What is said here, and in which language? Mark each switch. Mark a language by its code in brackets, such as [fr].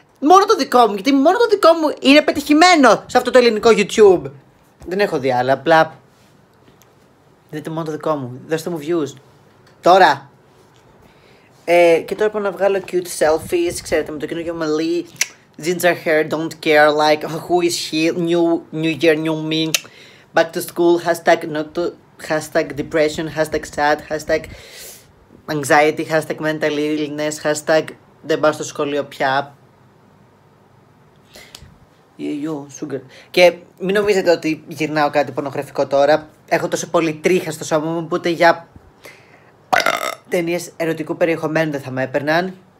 [el] Μόνο το δικό μου, γιατί μόνο το δικό μου είναι πετυχημένο σε αυτό το ελληνικό YouTube. Δεν έχω δει άλλα, απλά. Δείτε μόνο το δικό μου. Δώστε μου views. Τώρα. Και τώρα πάω να βγάλω cute selfies, ξέρετε, με το καινούργιο μαλλί. [en] Ginger hair, don't care, like, who is he, new year, new me, back to school, hashtag depression, hashtag sad, hashtag anxiety, hashtag mental illness, hashtag δεν πάω στο σχολείο πια. You sugar. [el] Και μην νομίζετε ότι γυρνάω κάτι πορνογραφικό τώρα, έχω τόσο πολύ τρίχα στο σώμα μου που ούτε για ταινίες ερωτικού περιεχομένου δεν θα με έπαιρναν.